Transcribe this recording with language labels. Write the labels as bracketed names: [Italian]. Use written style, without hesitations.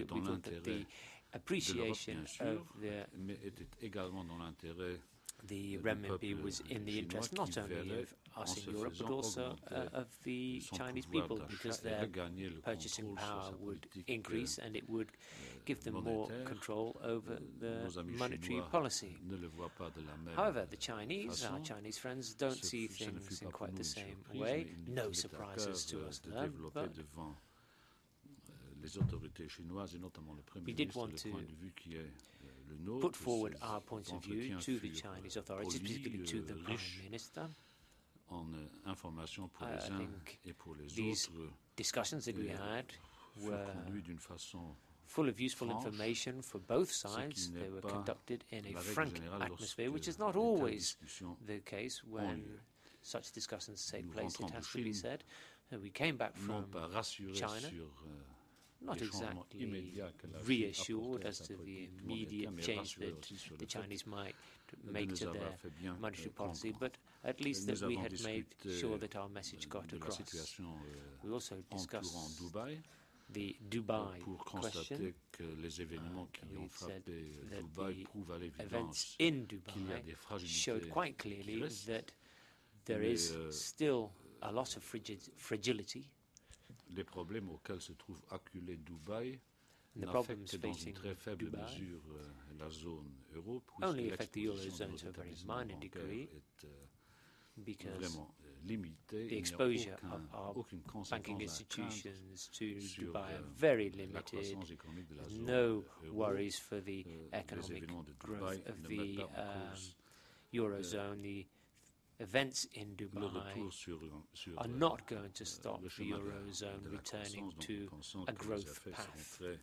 [English] We thought that the appreciation of the renminbi was in the interest not only of us in Europe, but also of the Chinese people, because their purchasing power would increase and it would give them more control over the monetary policy. However, the Chinese, our Chinese friends, don't see things in quite the same way. No surprises to us there, but [French] les autorités chinoises et notamment le Premier ministre, le point de vue qui est le nôtre, [English] put forward our point of view to the Chinese authorities, particularly to the Prime Minister. [French] En information pour les uns et pour les autres, [English] discussions that we had were [French] conduites d'une façon [English] full of useful information for both sides. They were conducted in a frank atmosphere, which is not always the case when such discussions take place, it has to be said. We came back from China. [French] Sur, [English] not exactly reassured as to the immediate change that the Chinese might make to their monetary policy, but at least that we had made sure that our message got across. We also discussed the Dubai question. The events in Dubai showed quite clearly that there is still a lot of fragility. [French] Les problèmes auxquels se trouve acculé Dubaï n'affectent dans une très faible mesure la zone euro, puisque l'exposition de notre établissement bancaire est vraiment limitée. [English] The exposure of our banking institutions to Dubai are very limited. No worries for the economic growth of the eurozone. The events in Dubai are not going to stop the Eurozone returning to a growth path.